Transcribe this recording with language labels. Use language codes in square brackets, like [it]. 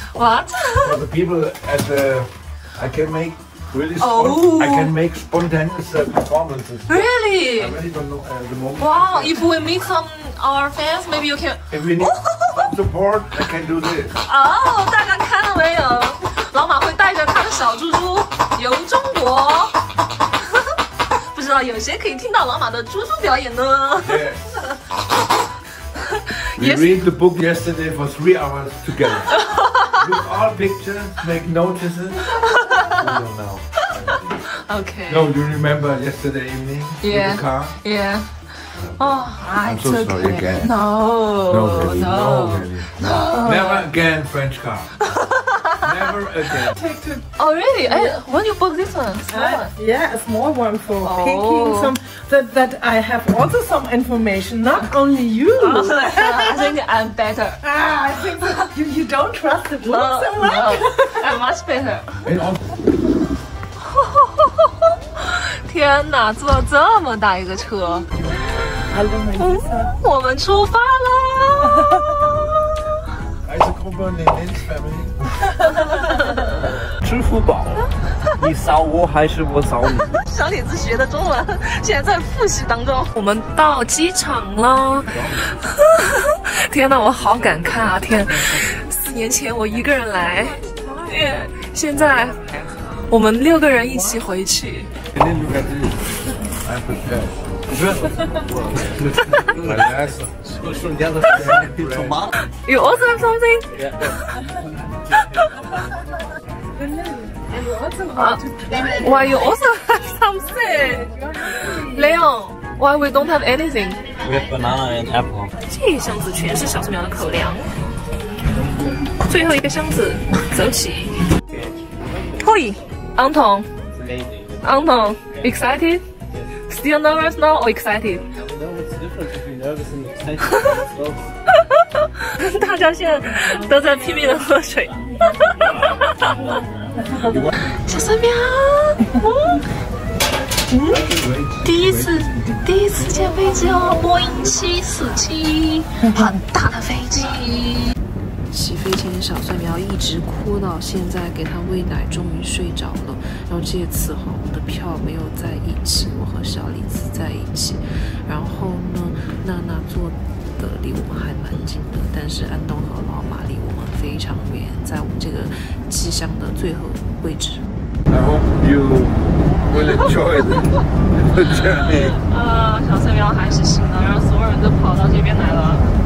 [en] What? For the people at the, I can make. Really, I can make spontaneous performances. Really? I really don't know at the moment. Wow, if we meet some our fans, maybe you can... If we need some support, I can do this. [zh] Oh, 大家看到没有？老马会带着他的小猪猪游中国。不知道有谁可以听到老马的猪猪表演呢？ [en] Yes. We read the book yesterday for 3 hours together. Look all pictures, make notices. No, no. Okay. No, you remember yesterday evening? Yeah. In the car? Yeah. Oh, I'm so sorry、 okay. again. No. No, really. No. No, really. No. Never again, French car. Never again. Take two. Oh, really? Yeah. When you bought this one? Yeah, a small one for、oh. picking some. That I have also some information, not only you. I think I'm better. Ah, I think you don't trust the book so much? No, I'm much better. And also, [zh] 天哪，坐了这么大一个车！我们出发了。 [en] I'm Kuban Nenen's family. [zh] 支付宝，你扫我还是我扫你？小李子学的中文，现在在复习当中。我们到机场了。天哪，我好感慨啊！天，4年前我一个人来，现在。我们六个人一起回去。 [en] And then look at this. I'm prepared. You also have something? Why you also have something? Leon, why we don't have anything? We have banana and apple. [zh] 这一箱子全是小树苗的口粮。最后一个箱子，走起。Toy. [en] Anton, Anton, excited? Still nervous now or excited? No, it's different to be nervous and excited. [zh] 大家现在都在拼命的喝水。小三喵，第一次见飞机哦，波音747，很大的飞机。起飞前，小蒜苗一直哭到现在，给他喂奶，终于睡着了。然后这次哈，我的票没有在一起，我和小李子在一起。然后呢，娜娜坐的离我们还蛮近的，但是安东和老马离我们非常远，在我们这个机厢的最后位置。 [en] I hope you will enjoy the journey. [zh] 小蒜苗还是醒了，然后所有人都跑到这边来了。